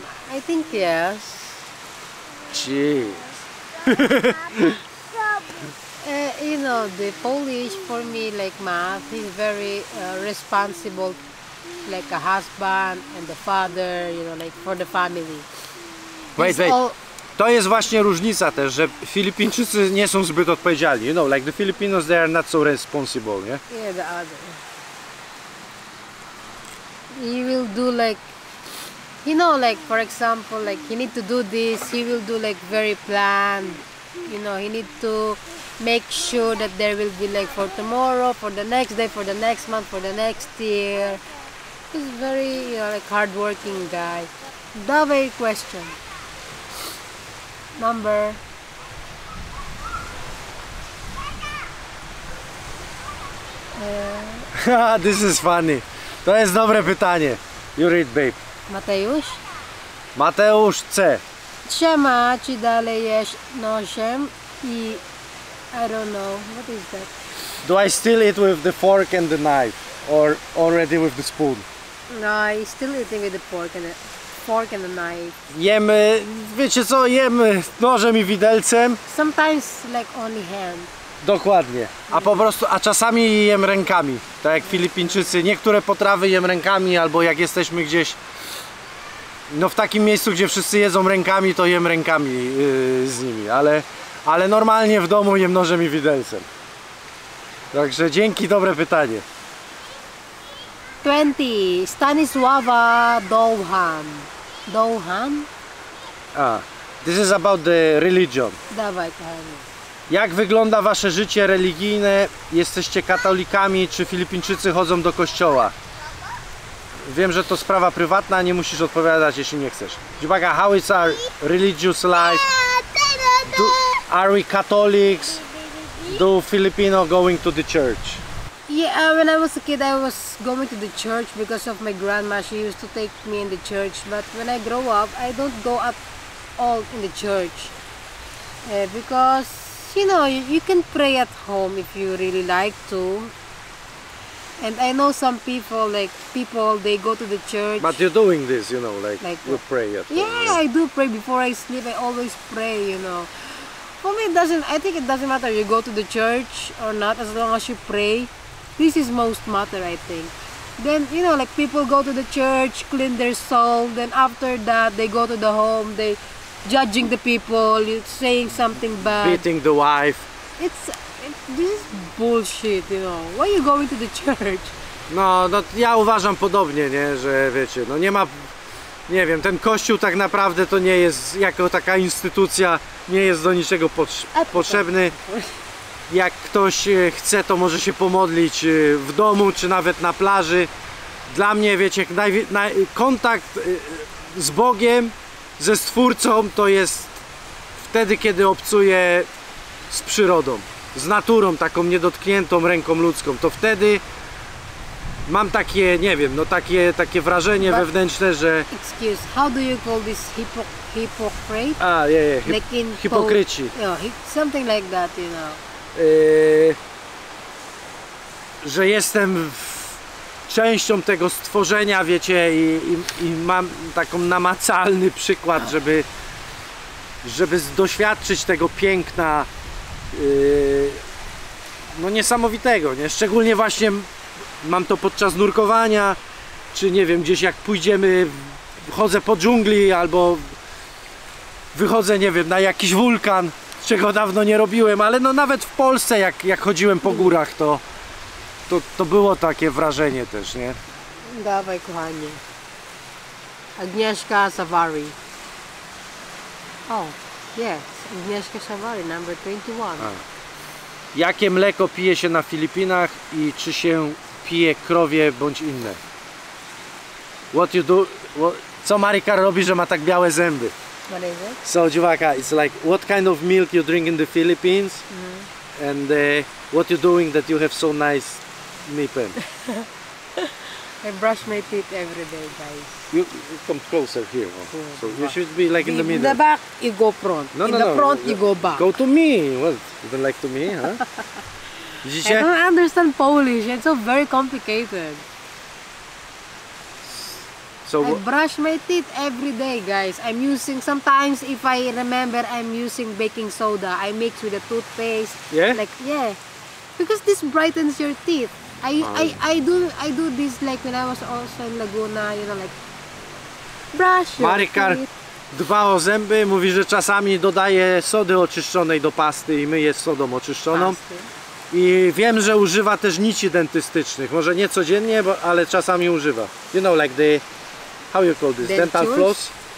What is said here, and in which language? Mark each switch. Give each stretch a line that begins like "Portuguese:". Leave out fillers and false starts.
English: I think yes. Gee. you know, the Polish for me, like math, he's very responsible, like a husband and the father, you know, like for the family. Wait.
Polish: To jest właśnie różnica też, że Filipińczycy nie są zbyt odpowiedzialni.
English: You know, like the Filipinos, they are not so responsible, nie? Yeah, the other. He will do like, you know, like for example, like he need to do this, he will do like very planned. You know, he need to make sure that there will be like for tomorrow, for the next day, for the next month, for the next year. He's very, you know, like hardworking guy. Dawaj question. Number. This is funny.
Polish: To jest dobre pytanie.
English: You read, babe. Mateusz? Mateusz C.
Polish: Trzema, czy dalej jesz nożem i...
English: I don't know. What is that? Do I still eat with the fork and the knife? Or already with the spoon? No, I'm still eating with the fork and the... Fork and the knife.
Polish: Jemy, wiecie co, jemy nożem i widelcem.
English: Sometimes like only hand.
Polish: Dokładnie. A po prostu, a czasami jem rękami. Tak jak Filipińczycy. Niektóre potrawy jem rękami, albo jak jesteśmy gdzieś, no w takim miejscu, gdzie wszyscy jedzą rękami, to jem rękami z nimi. Ale normalnie w domu jem nożem i widelcem. Także dzięki, dobre pytanie. 20. Stanisława Dohan. Dohan?
English: This is about the religion.
Polish: Dawaj, kochani. Jak wygląda wasze życie religijne? Jesteście katolikami, czy Filipińczycy chodzą do kościoła? Wiem, że to sprawa prywatna, nie musisz odpowiadać, jeśli nie chcesz.
English: Dziwaka, how is our religious life? Do, are we Catholics? Do Filipino going to the church? Yeah, when I was a kid, I was going to the church because of my grandma. She used to take me in the church, but when I grow up, I don't go at all in the church. Because you know, you can pray at home if you really like to. And I know some people, like people, they go to the church. But you're doing this, you know, like you pray at home. Yeah, I do pray before I sleep. I always pray, you know. For me, it doesn't matter if you go to the church or not, as long as you pray. This is most matter, I think. Then, you know, like people go to the church, clean their soul. Then after that, they go to the home, they... Judging the people, saying something bad. Beating the wife. This is bullshit, you know. Why are you going to the church?
Polish: No, ja uważam podobnie, nie? Że wiecie, no nie ma... Nie wiem, ten kościół tak naprawdę to nie jest jako taka instytucja, nie jest do niczego potrzebny. Jak ktoś chce, to może się pomodlić w domu, czy nawet na plaży. Dla mnie, wiecie, kontakt z Bogiem, ze Stwórcą, to jest wtedy, kiedy obcuję z przyrodą, z naturą, taką niedotkniętą ręką ludzką. To wtedy mam takie, nie wiem, no takie wrażenie
English: But
Polish: wewnętrzne, że...
English: Excuse, how do you call this hypocrite? Like in hipokryci. Something like that, you know.
Polish: Że jestem częścią tego stworzenia, wiecie, i mam taką namacalny przykład, żeby doświadczyć tego piękna, no niesamowitego, nie? Szczególnie właśnie mam to podczas nurkowania, czy nie wiem, gdzieś jak pójdziemy, chodzę po dżungli, albo wychodzę, nie wiem, na jakiś wulkan, czego dawno nie robiłem, ale no nawet w Polsce, jak chodziłem po górach, to było takie wrażenie też, nie? Dawaj, kochanie. Agnieszka Savary.
English: Yes. Agnieszka Savary, number 21.
Polish: Jakie mleko pije się na Filipinach i czy się pije krowie bądź inne?
English: What you do?
Polish: Co Marika robi, że ma tak białe zęby?
English: What is it? So, dziwaka, it's like, what kind of milk you drink in the Philippines? Mm-hmm. And what you doing that you have so nice... Nippen. I brush my teeth every day, guys. You come closer here. Oh. So you should be like in the middle. In the back, you go front. You go back. Go to me. What? You don't like to me, huh?
Polish: Widzicie?
English: I don't understand Polish. It's so very complicated. So I brush my teeth every day, guys. I'm using, sometimes if I remember, I'm using baking soda. I mix with the toothpaste. Yeah? Like, yeah. Because this brightens your teeth. I do this like when I was also in Laguna, you know, like brush your Marikar teeth.
Polish: Dba o zęby, mówi, że czasami dodaje sody oczyszczonej do pasty i myje sodą oczyszczoną. Pasty. I wiem, że używa też nici dentystycznych. Może nie codziennie, bo, ale czasami używa.
English: You know, like the... How you call this? Dental floss?